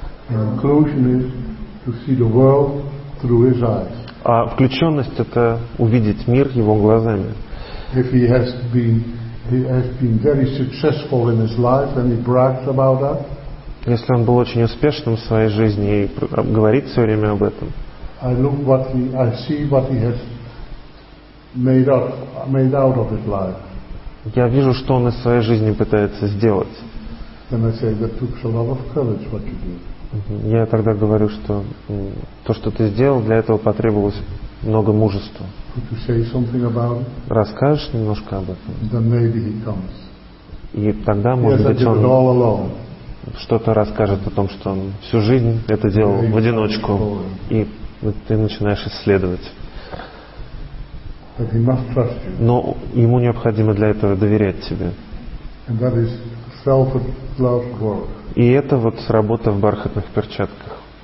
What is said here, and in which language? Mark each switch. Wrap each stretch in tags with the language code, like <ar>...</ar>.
<en>Inclusion is to see the world through his eyes.</en> <ru>А включенность — это увидеть мир его глазами.</ru> <en>If he has been very successful in his life and he brags about that.</en> <ru>Если он был очень успешным в своей жизни и говорит все время об этом.</ru> <en>I look what he, I see what he has made out of his life.</en> <ru>Я вижу, что он из своей жизни пытается сделать.</ru> <en>And I say that took a lot of courage what you did.</en> <ru>Я тогда говорю, что то, что ты сделал, для этого потребовалось много мужества.</ru> <en>Could you say something about it?</en> <ru>Расскажешь немножко об этом?</ru> <en>Then maybe he comes.</en> <ru>И тогда, может быть, он</ru> <en>all alone.</en> <ru>Что-то расскажет о том, что он всю жизнь это делал в одиночку. И ты начинаешь исследовать.</ru> <en>But he must trust you.</en> <ru>Но ему необходимо для этого доверять тебе.</ru> <en>And that is self-love work.</en> <ru>И это вот работа в бархатных перчатках.</ru>